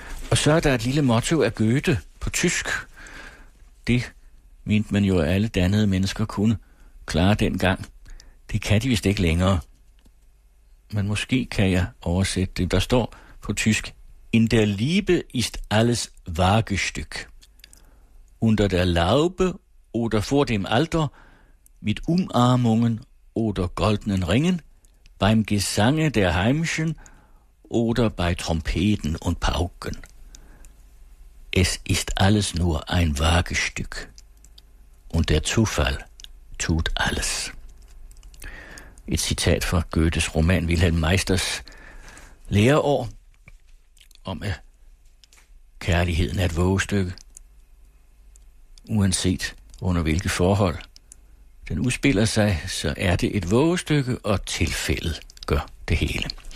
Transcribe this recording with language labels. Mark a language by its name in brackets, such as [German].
[Danish] Og så er der et lille motto af Goethe på tysk. Det mente man jo, at alle dannede mennesker kunne klare dengang. Det kan de vist ikke længere. Men måske kan jeg oversætte det. Der står på tysk, [German] In der Liebe ist alles Wagestück. Under der Laube oder vor dem Alter, mit Umarmungen oder goldenen Ringen, beim Gesange der Heimischen oder bei Trompeten und Pauken. Es ist alles nur ein Wagestück. Und der Zufall tut alles. [Danish] Et citat fra Goethes roman Wilhelm Meisters læreår om, at kærligheden er et vågestykke, uanset under hvilke forhold den udspiller sig, så er det et vågestykke, og tilfældet gør det hele.